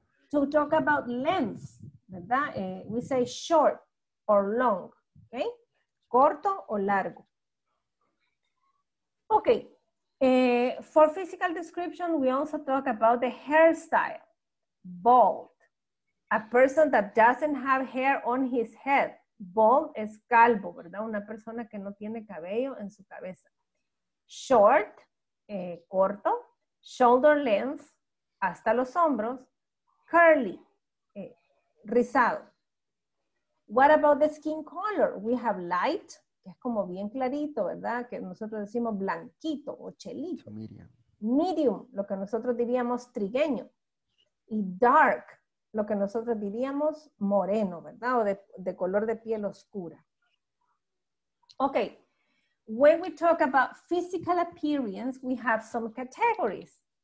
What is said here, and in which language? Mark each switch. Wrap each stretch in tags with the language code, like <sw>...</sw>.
<en>To talk about length, ¿verdad? We say short or long, okay?</en> <es>Corto o largo.</es> <en>Okay, for physical description, we also talk about the hairstyle. Bald, a person that doesn't have hair on his head.</en> <es>Bald es calvo, ¿verdad? Una persona que no tiene cabello en su cabeza. Short, corto,</es> <en>shoulder length,</en> <es>hasta los hombros.</es> <en>Curly, rizado. What about the skin color? We have light,</en> <es>que es como bien clarito, ¿verdad? Que nosotros decimos blanquito o chelito. Medium, lo que nosotros diríamos trigueño. Y dark, lo que nosotros diríamos moreno, ¿verdad? O de color de piel oscura.</es> <en>Okay, when we talk about physical appearance, we have some categories.</en>